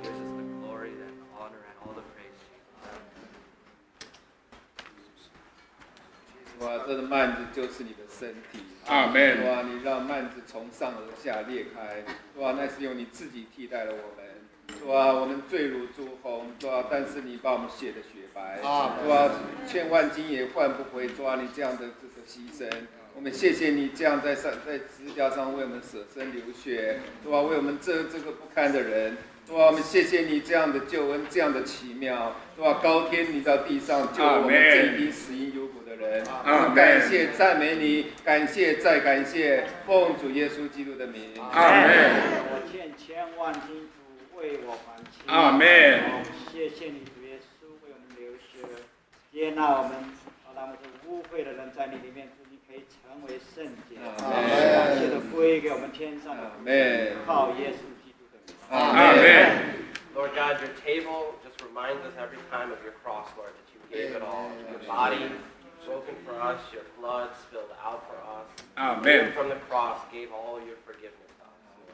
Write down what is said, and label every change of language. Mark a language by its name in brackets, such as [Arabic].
[English] Yours is the glory and the honor and all the praise, Jesus. Jesus. [Chinese] 哇，这个幔子就是你的身体。 [English] Amen. [Chinese] 哇，你让幔子从上而下裂开。哇，那是用你自己替代了我们。主啊，我们罪如朱红，主啊，但是你把我们洗得雪白，主啊，千万金也换不回，主啊，你这样的这个牺牲，我们谢谢你这样在十字架上为我们舍身流血，主啊，为我们这个不堪的人，主啊，我们谢谢你这样的救恩，这样的奇妙，主啊，高天你到地上救我们这一批死因幽谷的人，阿门，感谢赞美你，感谢再感谢，奉主耶稣基督的名，阿门。我欠千万金。为我还清，阿门。谢谢你，主耶稣，为我们流血，接纳我们，让我们这污秽的人在你里面，主，你可以成为圣洁。阿门。感谢的归给我们天上的。阿门。靠耶稣基督的名。阿门。 [English] Lord God, your table just reminds us every time of your cross, Lord, that you gave it all. Your body broken for us, your blood spilled out for us. Amen. From the cross, gave all your forgiveness to us.